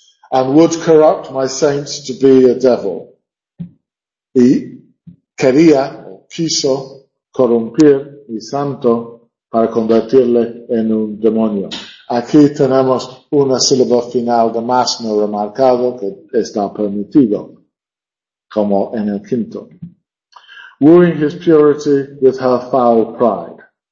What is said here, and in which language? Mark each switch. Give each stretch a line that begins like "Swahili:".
English: And would corrupt my saints to be a devil.
Spanish: Y quería o quiso corrompir mi santo para convertirle en un demonio. Aquí tenemos una sílaba final de más no remarcado que está permitido, como en el quinto.
English: Wooing his purity with her foul pride.